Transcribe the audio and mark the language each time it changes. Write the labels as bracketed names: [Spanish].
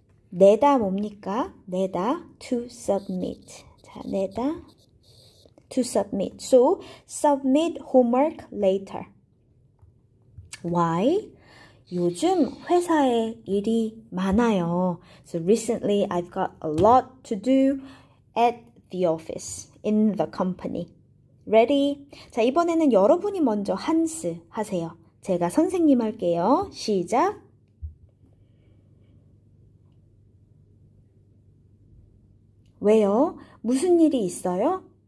[Korean] 내다 뭡니까? 내다. [English] To submit. [Korean] 자, 내다. To submit. [English] So, submit homework later. Why? [Korean] 요즘 회사에 일이 많아요. [English] So, recently I've got a lot to do at the office, in the company. Ready? [Korean] 자, 이번에는 여러분이 먼저 한스 하세요. 제가 선생님 할게요. 시작! 왜요? 무슨 일이 있어요?